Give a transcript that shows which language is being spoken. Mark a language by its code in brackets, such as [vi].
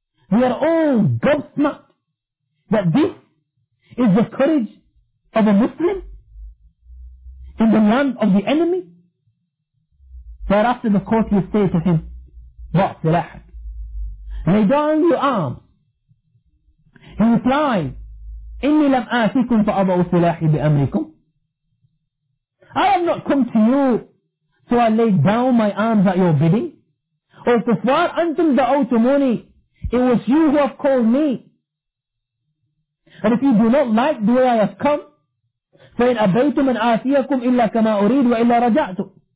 [en] They are all gobsmacked that this is the courage of a Muslim in the land of the enemy. Thereafter the courtiers say to him, "Ba'silah, lay down your arms." He replies, [ar] إِنِّي لَمْ آتِكُمْ فَأَضَعُ سِلَاحِ بِأَمْرِكُمْ. [en] I have not come to you, so I laid down my arms at your bidding. [ar] Or kuffar antum da'awtumuni, [en] it was you who have called me. And if you do not like the way I have come, [ar] فَإِنْ أَبَيْتُ مَنْ آتِيَكُمْ إِلَّا كَمَا أُرِيدُ وَإِلَّا رَجَعْتُ.